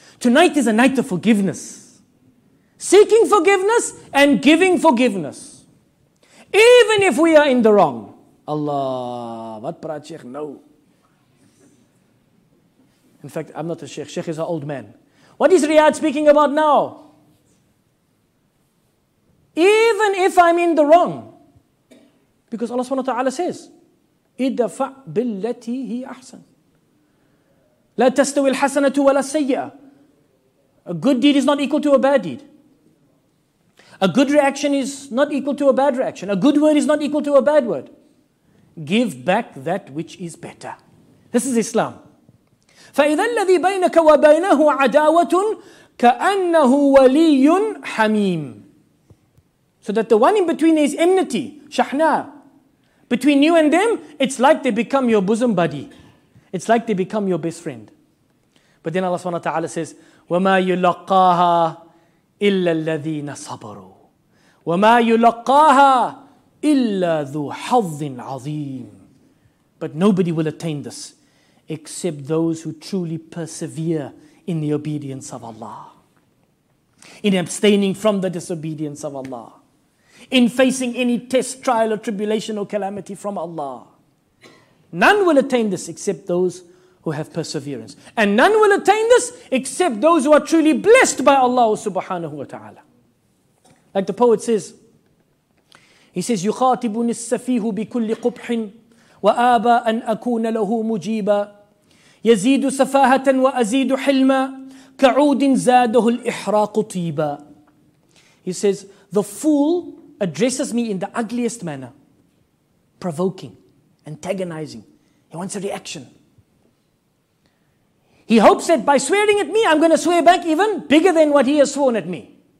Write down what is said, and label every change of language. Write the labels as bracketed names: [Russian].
[English] Tonight is a night of forgiveness. Seeking forgiveness and giving forgiveness. Even if we are in the wrong. Allah, what praat Sheikh? No. In fact, I'm not a Sheikh. Sheikh is an old man. What is Riyadh speaking about now? Even if I'm in the wrong. Because Allah subhanahu wa ta'ala says, [Arabic] اِدَّفَعْ بِالَّتِي هِي أَحْسَنْ لَا تَسْتَوِي الْحَسَنَةُ وَلَا السَّيِّئَةُ. [English] A good deed is not equal to a bad deed. A good reaction is not equal to a bad reaction. A good word is not equal to a bad word. Give back that which is better. This is Islam. [Arabic] فَإِذَا الَّذِي بَيْنَكَ وَبَيْنَهُ عَدَاوَةٌ كَأَنَّهُ وَلِيٌّ حَمِيمٌ. [English] So that the one in between is enmity, shahna. Between you and them, it's like they become your bosom buddy. It's like they become your best friend. But then Allah subhanahu wa ta'ala says, [Arabic] وَمَا يُلَقَّاهَا إِلَّا الَّذِينَ صَبَرُوا وَمَا يُلَقَّاهَا إِلَّا ذُو حَظٍ عَظِيمٍ. [English] But nobody will attain this except those who truly persevere in the obedience of Allah, in abstaining from the disobedience of Allah, in facing any test, trial, or tribulation or calamity from Allah. None will attain this except those who have perseverance. And none will attain this except those who are truly blessed by Allah subhanahu wa ta'ala. Like the poet says, he says, [Arabic] يُخَاطِبُنِ السَّفِيهُ بِكُلِّ قُبْحٍ وَآبَى أَنْ أَكُونَ لَهُ مُجِيبًا يَزِيدُ سَفَاهَةً وَأَزِيدُ حِلْمًا كَعُودٍ زَادَهُ الْإِحْرَاقُ طِيبًا. [English] He says, the fool addresses me in the ugliest manner, provoking, antagonizing. He wants a reaction. He hopes that by swearing at me, I'm going to swear back even bigger than what he has sworn at me.